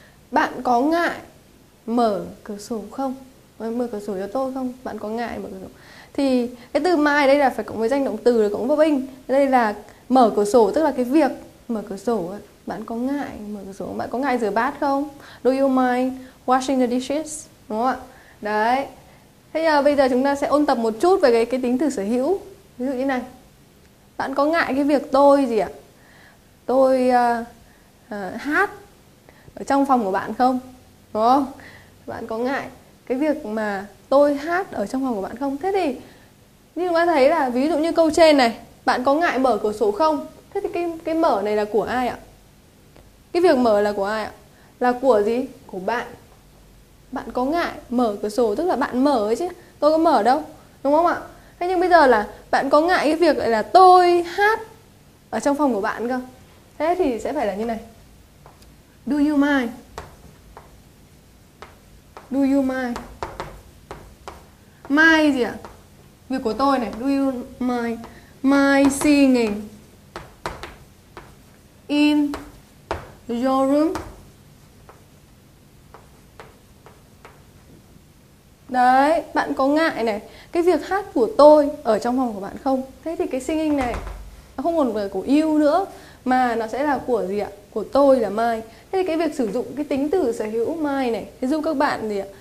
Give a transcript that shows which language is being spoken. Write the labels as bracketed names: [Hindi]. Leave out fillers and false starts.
[Vietnamese] Bạn có ngại mở cửa sổ không? Mở cửa sổ cho tôi không? Bạn có ngại mở cửa sổ? Thì cái từ mai đây là phải cộng với danh động từ, cộng với binh. Đây là mở cửa sổ, tức là cái việc mở cửa sổ. Bạn có ngại mở cửa sổ không? Bạn có ngại rửa bát không? [English] Do you mind washing the dishes? [Vietnamese] Đúng không ạ? Đấy. Thế giờ bây giờ chúng ta sẽ ôn tập một chút về cái tính từ sở hữu. Ví dụ như này. Bạn có ngại cái việc tôi gì ạ? Tôi hát ở trong phòng của bạn không? Đúng không? Bạn có ngại cái việc mà tôi hát ở trong phòng của bạn không? Thế thì như chúng ta thấy là ví dụ như câu trên này, bạn có ngại mở cửa sổ không? Thế thì cái mở này là của ai ạ? Cái việc mở là của ai ạ? Là của gì? Của bạn. Bạn có ngại mở cửa sổ, tức là bạn mở ấy chứ, tôi có mở đâu, đúng không ạ? Thế nhưng bây giờ là bạn có ngại cái việc là tôi hát ở trong phòng của bạn cơ. Thế thì sẽ phải là như này. [English] Do you mind? Do you mind? Mind gì ạ? [Vietnamese] Việc của tôi này. [English] Do you mind? Mind singing in your room? [Vietnamese] Đấy, bạn có ngại này cái việc hát của tôi ở trong phòng của bạn không? Thế thì cái singing này nó không còn là của you nữa, mà nó sẽ là của gì ạ? Của tôi, là my. Thế thì cái việc sử dụng cái tính từ sở hữu my này thì giúp các bạn gì ạ?